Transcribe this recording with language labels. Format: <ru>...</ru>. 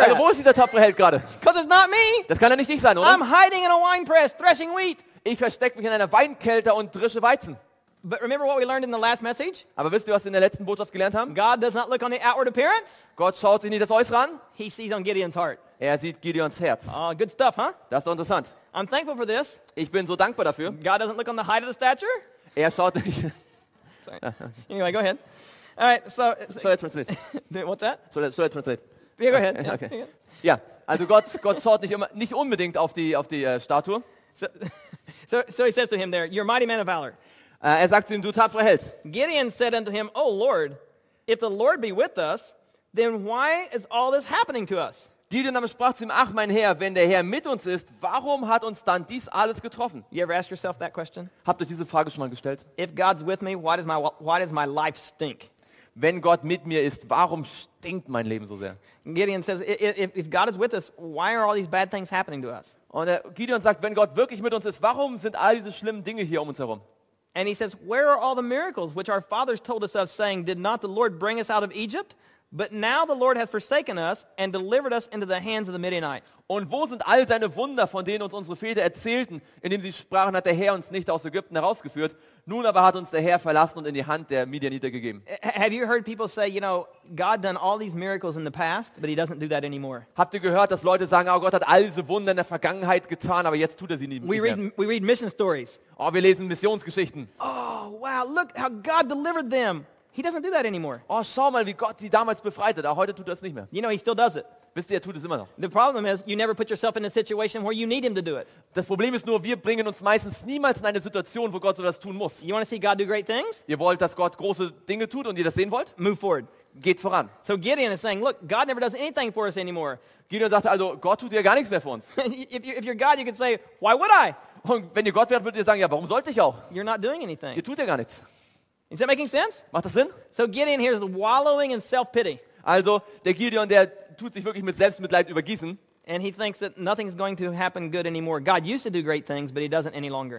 <de>Also wo ist dieser tapfere Held gerade?</de> <en>Because it's not me.</en> <de>Das kann ja nicht ich sein, oder?</de> <en>I'm hiding in a wine press, threshing wheat.</en> <de>Ich verstecke mich in einer Weinkälte und drische Weizen.</de> <en>But remember what we learned in the last message?</en> <de>Aber wisst ihr, was wir in der letzten Botschaft gelernt haben?</de> <en>God does not look on the outward appearance.</en> <de>Gott schaut sich nicht das Äußere an.</de> <en>He sees on Gideon's heart.</en> <de>Er sieht Gideons Herz.</de> <en>Good stuff, huh?</en> <de>Das ist doch interessant.</de> <en>I'm thankful for this.</en> <de>Ich bin so dankbar dafür.</de> <en>God doesn't look on the height of the stature.</en> <de>Er schaut nicht.</de> <en>Sorry. Anyway, go ahead. All right, so let's translate. What's that? So let's translate. Yeah, go ahead. Okay. Yeah.</en> <de>Also Gott schaut nicht unbedingt auf die Statue.</de> <en>So he says to him there, you're a mighty man of valor.</en> <de>Er sagt zu ihm, du tapferer Held.</de> <en>Gideon said unto him, O Lord, if the Lord be with us, then why is all this happening to us?</en> <de>Gideon aber sprach zu ihm, ach mein Herr, wenn der Herr mit uns ist, warum hat uns dann dies alles getroffen?</de> <en>You ever ask yourself that question?</en> <de>Habt ihr diese Frage schon mal gestellt?</de> <en>If God's with me, why does my life stink?</en> <de>Wenn Gott mit mir ist, warum stinkt mein Leben so sehr?</de> <en>Gideon says, if God is with us, why are all these bad things happening to us?</en> <de>Und Gideon sagt, wenn Gott wirklich mit uns ist, warum sind all diese schlimmen Dinge hier um uns herum?</de> <en>And he says, where are all the miracles which our fathers told us of, saying, did not the Lord bring us out of Egypt? But now the Lord has forsaken us and delivered us into the hands of the Midianites.</en> <de>Und wo sind all seine Wunder, von denen uns unsere Väter erzählten, indem sie sprachen, hat der Herr uns nicht aus Ägypten herausgeführt? Nun aber hat uns der Herr verlassen und in die Hand der Midianiter gegeben.</de> <en>Have you heard people say, you know, God done all these miracles in the past, but he doesn't do that anymore?</en> <de>Habt ihr gehört, dass Leute sagen, oh, Gott hat all diese Wunder in der Vergangenheit getan, aber jetzt tut er sie nicht mehr?</de> <en>We read mission stories.</en> <de>Oh, wir lesen Missionsgeschichten.</de> <en>Oh, wow, look how God delivered them. He doesn't do that anymore.</en> <de>Oh, schau mal, wie Gott sie damals befreit hat. Aber heute tut er es nicht mehr.</de> <en>You know, he still does it.</en> <de>Wisst ihr, er tut es immer noch.</de> <en>The problem is, you never put yourself in a situation where you need him to do it.</en> <de>Das Problem ist nur, wir bringen uns meistens niemals in eine Situation, wo Gott so das tun muss.</de> <en>You want to see God do great things?</en> <de>Ihr wollt, dass Gott große Dinge tut und ihr das sehen wollt?</de> <en>Move forward.</en> <de>Geht voran.</de> <en>So Gideon is saying, look, God never does anything for us anymore.</en> <de>Gideon sagte, also Gott tut ja gar nichts mehr für uns.</de> <en>If you're God, you could say, why would I?</en> <de>Und wenn ihr Gott wärt, würdet ihr sagen, ja, warum sollte ich auch?</de> <en>You're not doing anything.</en> <de>Ihr tut ja gar nichts.</de> <en>Is that making sense?</en> <de>Macht das Sinn?</de> <en>So Gideon here is wallowing in self-pity.</en> <de>Also, der Gideon, der tut sich wirklich mit Selbstmitleid übergießen.</de> <en>And he thinks that nothing's going to happen good anymore. God used to do great things, but he doesn't any longer.</en>